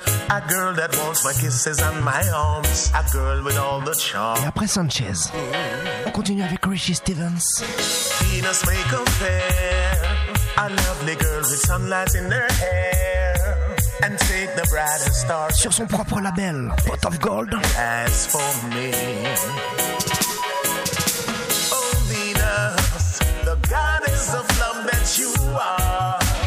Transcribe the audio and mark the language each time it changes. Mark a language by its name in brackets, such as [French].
[English] A girl that wants my kisses and my arms. A girl with all the charm. [French] Et après Sanchez, on continue avec Richie Stevens. [English] Venus may compare a lovely girl with sunlight in her hair and take the brightest star. [French] Sur son propre label, Pot of Gold. [English] As for me. Oh Venus, the goddess of love that you are.